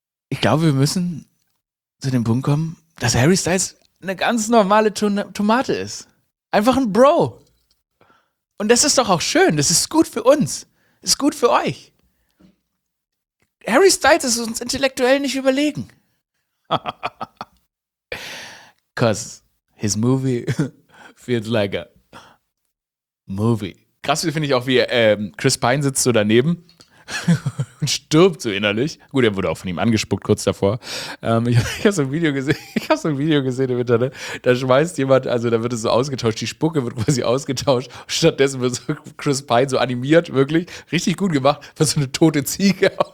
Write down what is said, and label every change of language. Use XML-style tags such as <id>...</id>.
<de>Ich glaube, wir müssen zu dem Punkt kommen, dass Harry Styles eine ganz normale Tomate ist. Einfach ein Bro. Und das ist doch auch schön. Das ist gut für uns. Ist gut für euch. Harry Styles ist uns intellektuell nicht überlegen.</de> <en>Cause his movie feels like a movie.</en> <de>Krass finde ich auch, wie Chris Pine sitzt so daneben und stirbt so innerlich. Gut, er wurde auch von ihm angespuckt kurz davor. Ich habe so ein Video gesehen im Internet. Da schmeißt jemand, also da wird es so ausgetauscht, die Spucke wird quasi ausgetauscht. Stattdessen wird so Chris Pine so animiert, wirklich richtig gut gemacht, für so eine tote Ziege.</de>